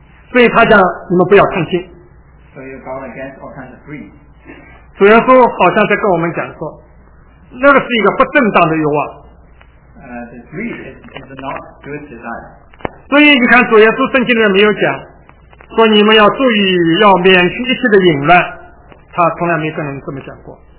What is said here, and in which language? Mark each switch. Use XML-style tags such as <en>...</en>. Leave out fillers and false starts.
<zh>所以他讲你们不要贪心。</zh> <en>So you're going against all kinds of greed.</en> <zh>主耶稣好像在跟我们讲说，那个是一个不正当的欲望。</zh> <en>The greed is not good design.</en> <zh>所以你看主耶稣圣经里面没有讲说你们要注意要免去一切的淫乱，他从来没跟人这么讲过。</zh>